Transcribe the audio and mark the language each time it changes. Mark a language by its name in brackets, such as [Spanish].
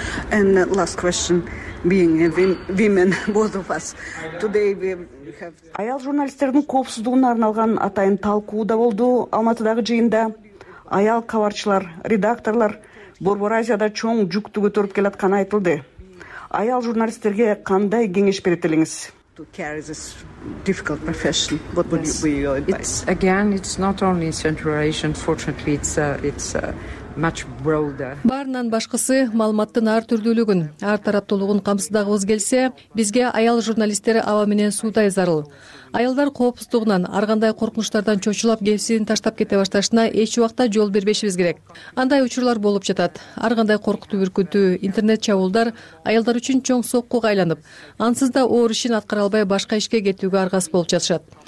[English] And last question, being a women, both of us, today we have... [Kyrgyz] Аял журналисттердин коопсуздугуна арналган атайын талкуу да болду Алматыдагы жыйында. Аял кабарчылар, редакторлор Борбор Азияда чоң жүктү көтөрүп келатканы айтылды. аял журналисттерге кандай кеңеш берет элеңиз? [English] To carry this difficult profession, what would be your advice? It's not only in Central Asia, unfortunately, it's much broader. [Kyrgyz] Баарынан башкысы маалыматтын ар түрдүүлүгүн, ар тараптуулугун камсыздагыбыз келсе, бизге аял журналисттер аба менен суудай зарыл. Аялдар коопсуздугунан, ар кандай коркунучтардан чочулап кепсин таштап кете башташына эч убакта жол бербешибиз керек. Андай учурлар болуп жатат. Ар кандай коркутуу бүркүтүү, интернет чабуулдар аялдар үчүн чоң соккуга айланып, ансыз да оор ишин аткара албай башка ишке кетүүгө аргасыз болуп жатышат.